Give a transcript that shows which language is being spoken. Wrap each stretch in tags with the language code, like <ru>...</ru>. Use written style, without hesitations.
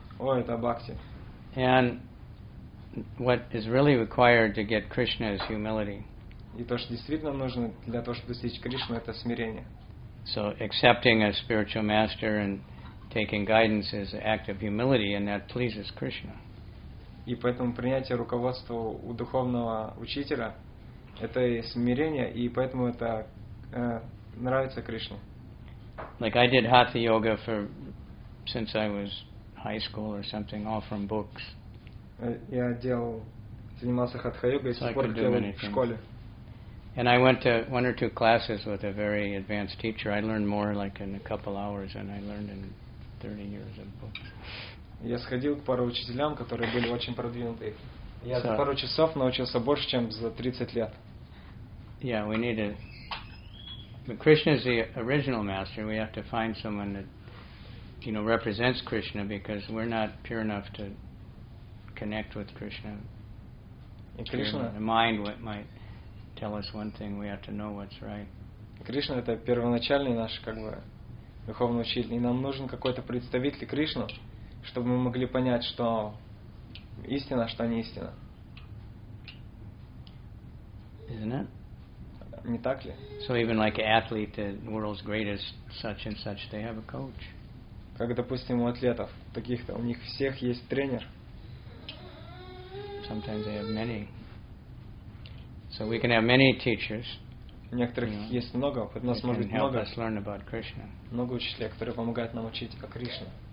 <ru>Oh, это бхакти.</ru> <en>And what is really required to get Krishna is humility.</en> <ru>И то, что действительно нужно для того, чтобы достичь Кришны, это смирение.</ru> <en>So accepting a spiritual master and taking guidance is an act of humility, and that pleases Krishna.</en> <ru>И поэтому принятие руководства у духовного учителя это и смирение, и поэтому это нравится Кришне.</ru> <en>Like I did hatha yoga for since I was high school or something, all from books.</en> <ru>Я делал, занимался хатха йогой с тех пор, как я был в школе.</ru> <en>And I went to one or two classes with a very advanced teacher. I learned more like in a couple hours than I learned in 30 years of books.</en> <ru>Я сходил к пару учителям, которые были очень продвинутые. Я за пару часов научился больше, чем за 30 лет.</ru> <en>Yeah, we need to. But Krishna is the original master. We have to find someone that, you know, represents Krishna because we're not pure enough to connect with Krishna. Krishna. The mind what might tell us one thing. We have to know what's right.</en> <ru>Krishna это первоначальный наш как бы духовный учитель, и нам нужен какой-то представитель Кришны, чтобы мы могли понять, что истина, что не истина.</ru> <en>Isn't it?</en> <ru>Не так ли?</ru> <en>So even like athlete, the world's greatest such and such, they have a coach.</en> <ru>Как допустим у атлетов таких-то, у них всех есть тренер.</ru> <en>Sometimes they have many. So we can have many teachers.</en> <ru>У некоторых you know, есть много, у нас может быть много.</ru> <en>Help us learn about Krishna.</en> <ru>Много учителей, которые помогают нам учить о Кришне.</ru>